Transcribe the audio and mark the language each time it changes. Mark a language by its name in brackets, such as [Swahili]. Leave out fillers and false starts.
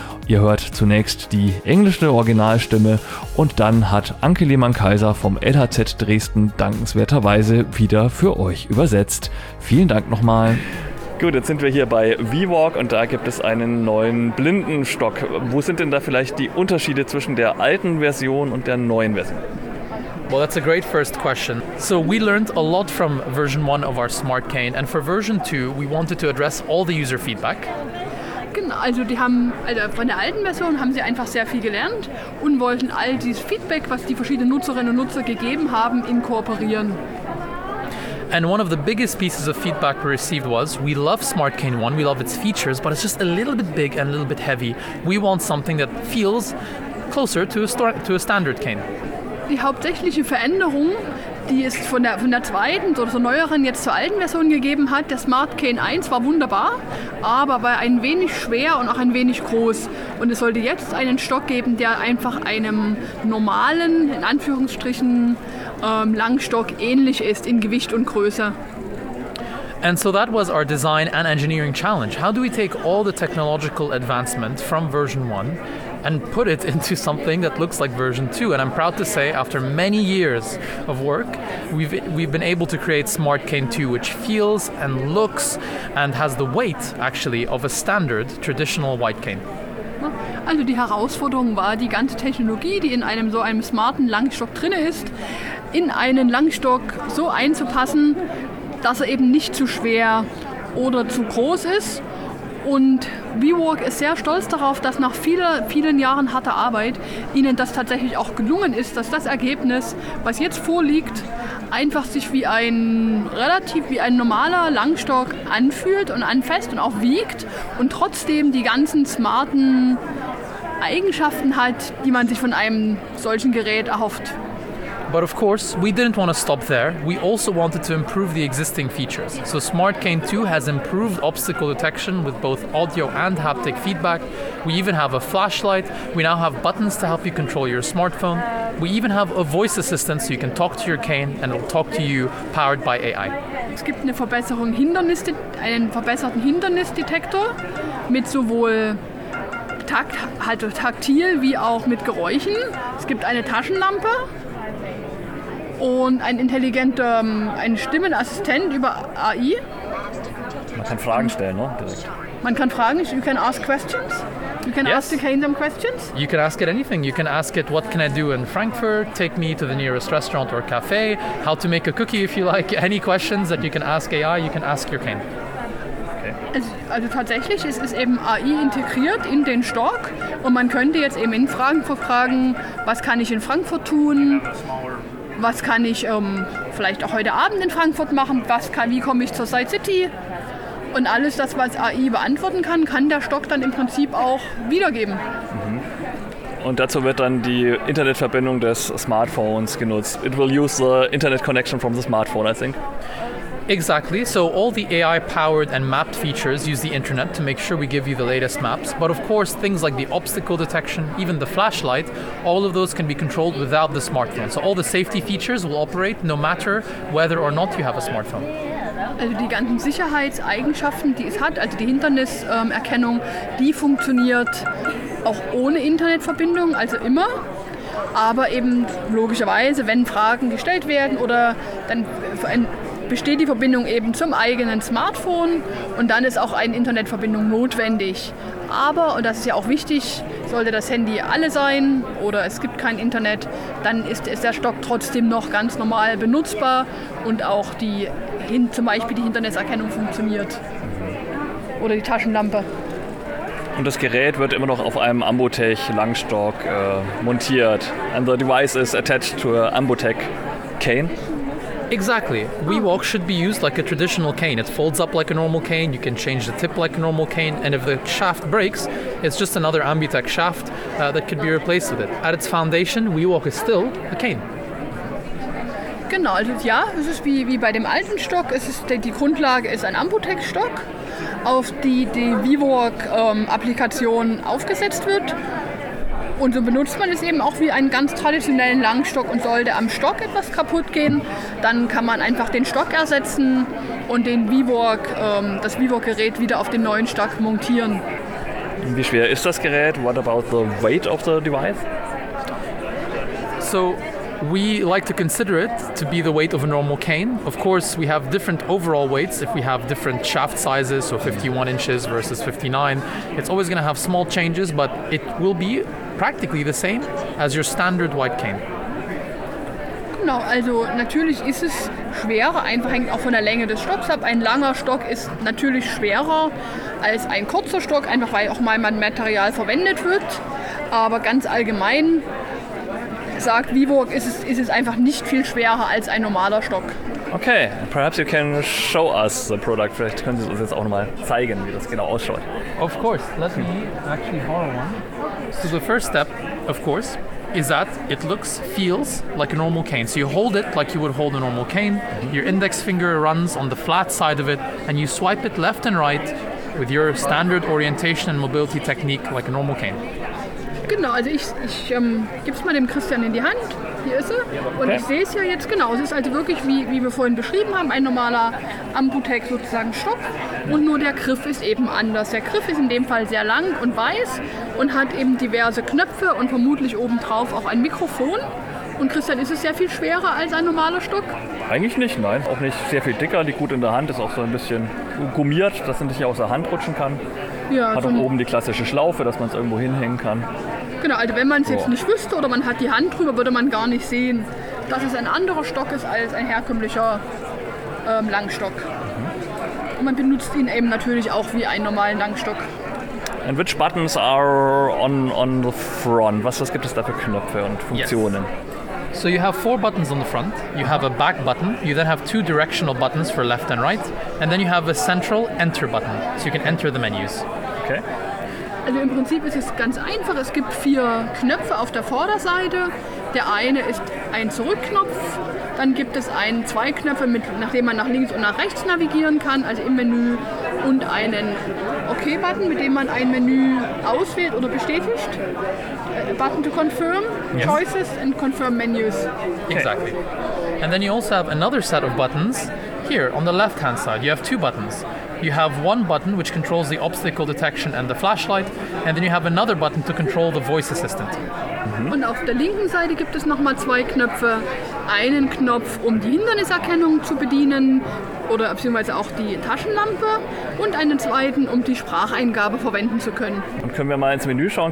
[German] Ihr hört zunächst die englische Originalstimme und dann hat Anke Lehmann-Kaiser vom LHZ Dresden dankenswerterweise wieder für euch übersetzt. Vielen Dank nochmal. Gut, jetzt sind wir hier bei WeWalk und da gibt es einen neuen Blindenstock. Wo sind denn da vielleicht die Unterschiede zwischen der alten Version und der neuen Version? [English] Well, that's a great first question. So we learned a lot from version 1 of our smart cane, and for version 2 we wanted to address all the user feedback. [German] Also die haben, also von der alten Version haben sie einfach sehr viel gelernt und wollten all dieses Feedback, was die verschiedenen Nutzerinnen und Nutzer gegeben haben, inkorporieren. [English] And one of the biggest pieces of feedback we received was, we love Smart Cane 1, we love its features, but it's just a little bit big and a little bit heavy. We want something that feels closer to a standard cane. [German] Die hauptsächliche Veränderung, die es von der zweiten oder so neueren jetzt zur alten Version gegeben hat, der Smart Cane 1 war wunderbar, aber war ein wenig schwer und auch ein wenig groß. Und es sollte jetzt einen Stock geben, der einfach einem normalen, in Anführungsstrichen, Langstock ähnlich ist in Gewicht und Größe. [English] And so that was our design and engineering challenge. How do we take all the technological advancement from version 1 and put it into something that looks like version 2? And I'm proud to say, after many years of work, we've been able to create Smart Cane 2, which feels and looks and has the weight, actually, of a standard traditional white cane. [German] Also die Herausforderung war, die ganze Technologie, die in einem so einem smarten Langstock drin ist, in einen Langstock so einzupassen, dass er eben nicht zu schwer oder zu groß ist. Und WeWalk ist sehr stolz darauf, dass nach vielen, vielen Jahren harter Arbeit ihnen das tatsächlich auch gelungen ist, dass das Ergebnis, was jetzt vorliegt, einfach sich wie ein normaler Langstock anfühlt und anfasst und auch wiegt und trotzdem die ganzen smarten Eigenschaften hat, die man sich von einem solchen Gerät erhofft. [English] But of course, we didn't want to stop there. We also wanted to improve the existing features. So Smart Cane 2 has improved obstacle detection with both audio and haptic feedback. We even have a flashlight. We now have buttons to help you control your smartphone. We even have a voice assistant so you can talk to your cane and it'll talk to you powered by AI. [German] Es gibt eine Verbesserung, einen verbesserten Hindernisdetektor mit sowohl taktil wie auch mit Geräuschen. Es gibt eine Taschenlampe. Und ein intelligenter Stimmenassistent über AI. Man kann Fragen stellen, ne? Direkt. Man kann Fragen, [English] you can ask questions. You can ask the cane some questions. You can ask it anything. You can ask it, what can I do in Frankfurt? Take me to the nearest restaurant or cafe. How to make a cookie if you like. Any questions that you can ask AI, you can ask your cane. [German] Also tatsächlich ist es eben AI integriert in den Stock und man könnte jetzt eben in Fragen verfragen, was kann ich in Frankfurt tun? Was kann ich vielleicht auch heute Abend in Frankfurt machen? Wie komme ich zur SideCity? Und alles das, was AI beantworten kann, kann der Stock dann im Prinzip auch wiedergeben. Und dazu wird dann die Internetverbindung des Smartphones genutzt. [English] It will use the internet connection from the smartphone, I think. Exactly. So all the AI-powered and mapped features use the internet to make sure we give you the latest maps. But of course, things like the obstacle detection, even the flashlight, all of those can be controlled without the smartphone. So all the safety features will operate no matter whether or not you have a smartphone. [German] Also die ganzen Sicherheitseigenschaften, die es hat, also die Hinderniserkennung, die funktioniert auch ohne Internetverbindung, also immer. Aber eben logischerweise, wenn Fragen gestellt werden oder dann besteht die Verbindung eben zum eigenen Smartphone und dann ist auch eine Internetverbindung notwendig. Aber, und das ist ja auch wichtig, sollte das Handy alle sein oder es gibt kein Internet, dann ist der Stock trotzdem noch ganz normal benutzbar und auch zum Beispiel die Hinterniserkennung funktioniert oder die Taschenlampe. Und das Gerät wird immer noch auf einem Ambutech Langstock montiert. [English] And the device is attached to an Ambutech cane. Exactly. WeWalk should be used like a traditional cane. It folds up like a normal cane, you can change the tip like a normal cane, and if the shaft breaks, it's just another Ambutech shaft that could be replaced with it. At its foundation, WeWalk is still a cane. [German] Genau, also ja, es ist wie bei dem alten Stock, die Grundlage ist ein Ambutech-Stock, auf die WeWalk-Applikation aufgesetzt wird. Und so benutzt man es eben auch wie einen ganz traditionellen Langstock und sollte am Stock etwas kaputt gehen, dann kann man einfach den Stock ersetzen und das WeWalk-Gerät wieder auf den neuen Stock montieren. Wie schwer ist das Gerät? [English] What about the weight of the device? So, we like to consider it to be the weight of a normal cane. Of course, we have different overall weights if we have different shaft sizes, so 51 inches versus 59. It's always going to have small changes, but it will be practically the same as your standard white cane. [German] Genau, also natürlich ist es schwerer, einfach hängt auch von der Länge des Stocks ab. Ein langer Stock ist natürlich schwerer als ein kurzer Stock, einfach weil auch mal Material verwendet wird. Aber ganz allgemein sagt WeWalk, ist es einfach nicht viel schwerer als ein normaler Stock. [English] Okay, perhaps you can show us the product. [German] Vielleicht können Sie uns jetzt auch nochmal zeigen, wie das genau ausschaut. [English] Of course, let me actually borrow one. So the first step, of course, is that it looks, feels like a normal cane. So you hold it like you would hold a normal cane. Your index finger runs on the flat side of it, and you swipe it left and right with your standard orientation and mobility technique like a normal cane. [German] Genau, also ich gebe es mal dem Christian in die Hand. Hier ist er. Okay. Und ich sehe es ja jetzt genau. Es ist also wirklich, wie wir vorhin beschrieben haben, ein normaler Ambutech sozusagen Stock. Und nur der Griff ist eben anders. Der Griff ist in dem Fall sehr lang und weiß und hat eben diverse Knöpfe und vermutlich obendrauf auch ein Mikrofon. Und Christian, ist es sehr viel schwerer als ein normaler Stock? Eigentlich nicht, nein. Auch nicht sehr viel dicker. Liegt gut in der Hand, ist auch so ein bisschen gummiert, dass man sich aus der Hand rutschen kann. Ja, hat auch oben die klassische Schlaufe, dass man es irgendwo hinhängen kann. Genau, also wenn man es jetzt nicht wüsste oder man hat die Hand drüber, würde man gar nicht sehen, dass es ein anderer Stock ist als ein herkömmlicher Langstock. Mhm. Und man benutzt ihn eben natürlich auch wie einen normalen Langstock. [English] And which buttons are on the front? [German] Was gibt es da für Knöpfe und Funktionen? [English] Yes. So you have four buttons on the front. You have a back button. You then have two directional buttons for left and right. And then you have a central enter button, so you can enter the menus. Okay. [German] Also im Prinzip ist es ganz einfach. Es gibt vier Knöpfe auf der Vorderseite. Der eine ist ein Zurückknopf. Dann gibt es zwei Knöpfe, nachdem man nach links und nach rechts navigieren kann, also im Menü. Und einen OK-Button, mit dem man ein Menü auswählt oder bestätigt. [English] Button to confirm, yes. Choices and confirm menus. Exactly. And then you also have another set of buttons here on the left-hand side. You have two buttons. You have one button which controls the obstacle detection and the flashlight, and then you have another button to control the voice assistant. Mm-hmm. [German] Und auf der linken Seite gibt es nochmal zwei Knöpfe. Einen Knopf, um die Hinderniserkennung zu bedienen oder beziehungsweise auch die Taschenlampe und einen zweiten, um die Spracheingabe verwenden zu können. Und können wir mal ins Menü schauen?